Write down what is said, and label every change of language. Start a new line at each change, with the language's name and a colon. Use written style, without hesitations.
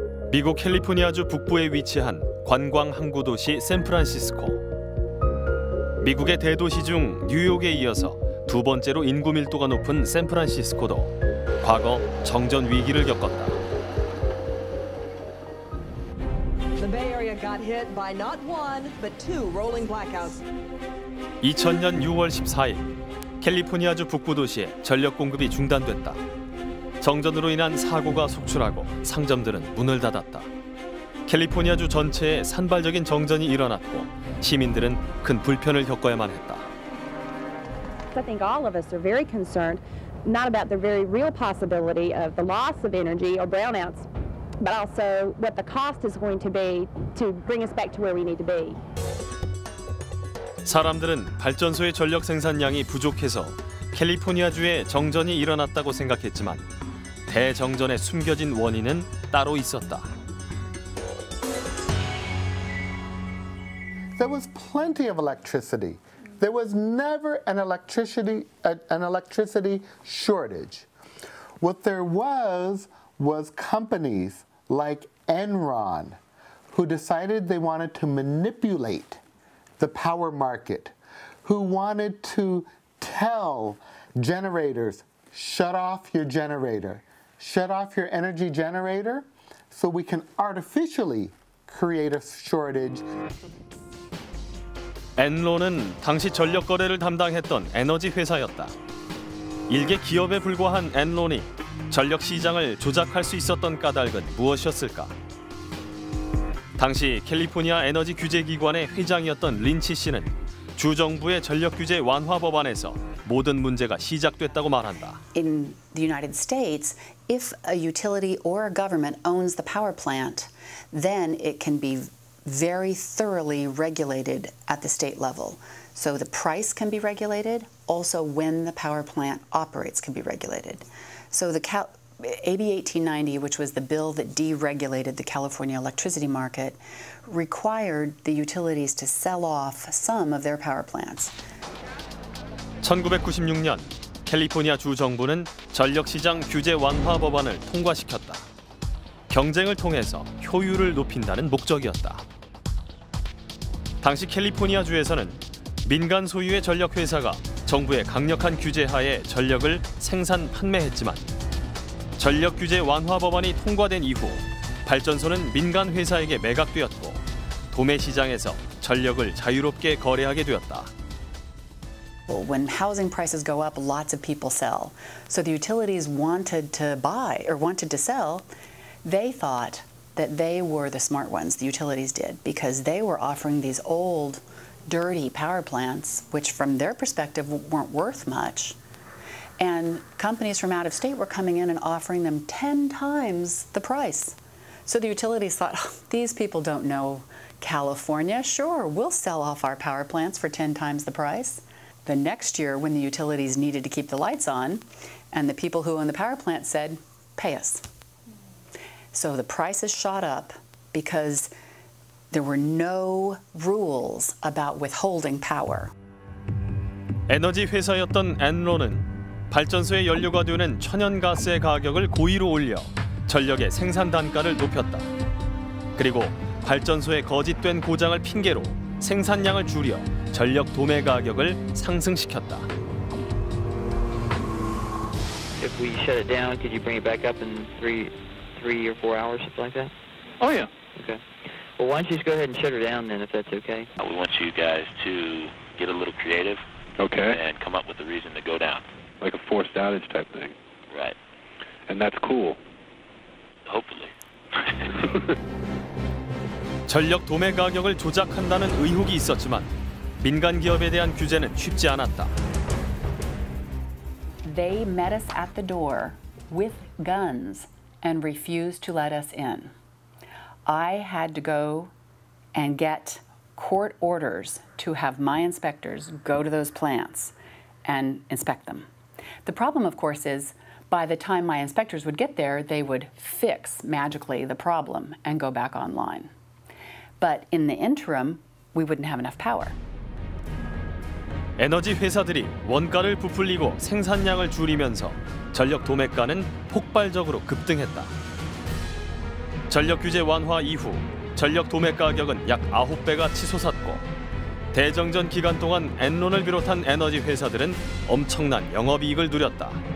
Korean: 미국 캘리포니아주 북부에 위치한 관광 항구 도시 샌프란시스코. 미국의 대도시 중 뉴욕에 이어서 두 번째로 인구 밀도가 높은 샌프란시스코도 과거 정전 위기를 겪었다.
English: The Bay Area got hit by not one, but two rolling blackouts.
Korean: 2000년 6월 14일, 캘리포니아주 북부 도시에 전력 공급이 중단됐다. 정전으로 인한 사고가 속출하고 상점들은 문을 닫았다. 캘리포니아주 전체에 산발적인 정전이 일어났고 시민들은 큰 불편을 겪어야만 했다.
English: I think all of us are very concerned, not about the very real possibility of the loss of energy or brownouts, but also what the cost is going to be to bring us back to where we need to be.
Korean: 사람들은 발전소의 전력 생산량이 부족해서 캘리포니아주에 정전이 일어났다고 생각했지만 대정전의 숨겨진 원인은 따로 있었다.
English: There was plenty of electricity. There was never an electricity shortage. What there was companies like Enron who decided they wanted to manipulate the power market, who wanted to tell generators, shut off your generator, shut off your energy generator so we can artificially create a shortage.
Korean: 엔론은 당시 전력 거래를 담당했던 에너지 회사였다. 일개 기업에 불과한 엔론이 전력 시장을 조작할 수 있었던 까닭은 무엇이었을까? 당시 캘리포니아 에너지 규제 기관의 회장이었던 린치 씨는 주 정부의 전력 규제 완화 법안에서 모든 문제가 시작됐다고 말한다.
English: In the United States, if a utility or a government owns the power plant, then it can be very thoroughly regulated at the state level. So the price can be regulated, also when the power plant operates can be regulated. So the AB 1890, which was the bill that deregulated the California electricity market, required the utilities to sell off some of their power plants.
Korean: 1996년 캘리포니아 주 정부는 전력 시장 규제 완화 법안을 통과시켰다. 경쟁을 통해서 효율을 높인다는 목적이었다. 당시 캘리포니아주에서는 민간 소유의 전력회사가 정부의 강력한 규제 하에 전력을 생산, 판매했지만 전력 규제 완화 법안이 통과된 이후 발전소는 민간 회사에게 매각되었고 도매 시장에서 전력을 자유롭게 거래하게 되었다.
English: When housing prices go up, lots of people sell. So the utilities wanted to buy or wanted to sell. They thought that they were the smart ones, the utilities did, because they were offering these old, dirty power plants, which from their perspective weren't worth much. And companies from out of state were coming in and offering them 10 times the price. So the utilities thought, oh, these people don't know California. Sure, we'll sell off our power plants for 10 times the price. The next year, when the utilities needed to keep the lights on, and the people who own the power plant said, pay us. So the prices shot up because there were no rules about withholding power.
Korean: 에너지 회사였던 엔론은 발전소의 연료가 되는 천연가스의 가격을 고의로 올려 전력의 생산 단가를 높였다. 그리고 발전소의 거짓된 고장을 핑계로 생산량을 줄여 전력 도매 가격을 상승시켰다.
English: If we shut it down, could you bring it back up in three or four hours, something like that? Oh yeah. Okay. Well, why don't you just go ahead and shut her down then, if that's okay? We want you guys to get a little creative. Okay. And come up with a reason to go down. Like a forced outage type thing. Right. And that's cool. Hopefully.
Korean: 전력 도매 가격을 조작한다는 의혹이 있었지만 민간 기업에 대한 규제는 쉽지 않았다.
English: They met us at the door with guns and refused to let us in. I had to go and get court orders to have my inspectors go to those plants and inspect them. The problem, of course, is by the time my inspectors would get there, they would fix magically the problem and go back online. But in the interim, we wouldn't have enough power.
Korean: 에너지 회사들이 원가를 부풀리고 생산량을 줄이면서 전력 도매가는 폭발적으로 급등했다. 전력 규제 완화 이후 전력 도매 가격은 약 9배가 치솟았고 대정전 기간 동안 엔론을 비롯한 에너지 회사들은 엄청난 영업이익을 누렸다.